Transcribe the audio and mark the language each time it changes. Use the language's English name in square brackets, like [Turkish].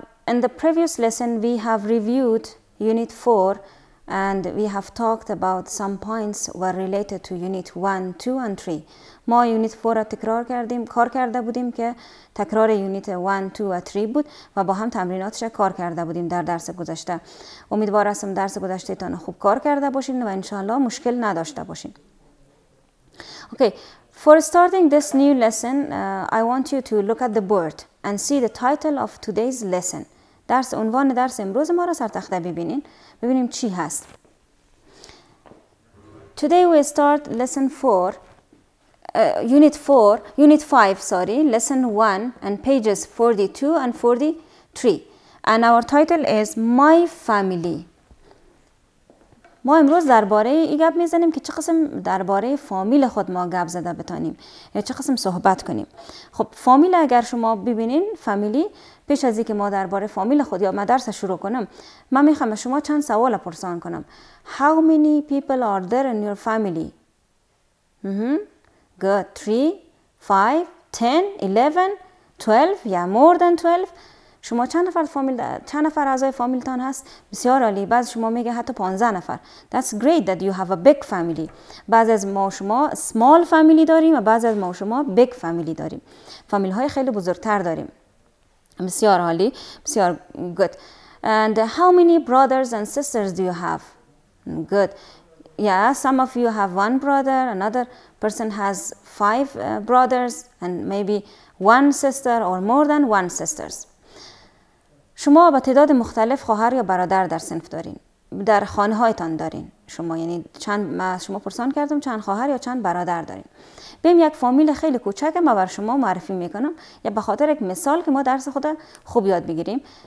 [English] In the previous lesson we have reviewed unit 4 and we have talked about some points were related to unit 1, 2 and 3. [Persian] ما یونیت 4 را تکرار کردیم، کار کرده بودیم که تکرار یونیت 1, 2 و 3 بود و با هم تمریناتش را کار کرده بودیم در درس گذشته. امیدوار هستم درس گذشته تان خوب کار کرده باشین و انشاءالله مشکل نداشته باشین. [English] Okay, for starting this new lesson, I want you to look at the board and see the title of today's lesson. [Persian] درس عنوان درس امروز ما را سرتخته ببینین، ببینیم چی هست. [English] Today we start lesson 4. Unit 5, lesson 1 and pages 42 and 43. And our title is My Family. [Persian] ما امروز درباره ای گپ میزنیم که چه قسم درباره فامیل خود ما گپ زده بتانیم یا چه قسم صحبت کنیم. خب فامیل اگر شما ببینین فامیلی، پیش از اینکه ما درباره فامیل خود یا مدرسه شروع کنم، من میخوام شما چند سوال پرسان کنم. [English] How many people are there in your family? Good. 3, 5, 10, 11, 12. Yeah, more than 12. [Persian] شما چند نفر فامیل چند نفر اعضای فامیلتان هست؟ بسیار عالی. بعض شما میگه حتی 15 نفر. [English] That's great that you have a big family. [Persian] بعض از ما شما [English] small family [Persian] داریم و بعض از ما شما [English] big family [Persian] داریم. فامیل های خیلی بزرگتر داریم. بسیار عالی. بسیار good. [English] And how many brothers and sisters do you have? Good. Yeah, some of you have one brother, another person has five brothers and maybe one sister or more than one sisters. [Persian] شما با تعداد مختلف خواهر یا برادر در صنف دارین؟ در خانه هایتان دارین؟ شما یعنی چند ما شما پرسان کردم چند خواهر یا چند برادر دارین؟ بیم یک فامیل خیلی کوچک ما بر شما معرفی میکنم یا به خاطر یک مثال که ما درس خود خوب یاد بگیریم.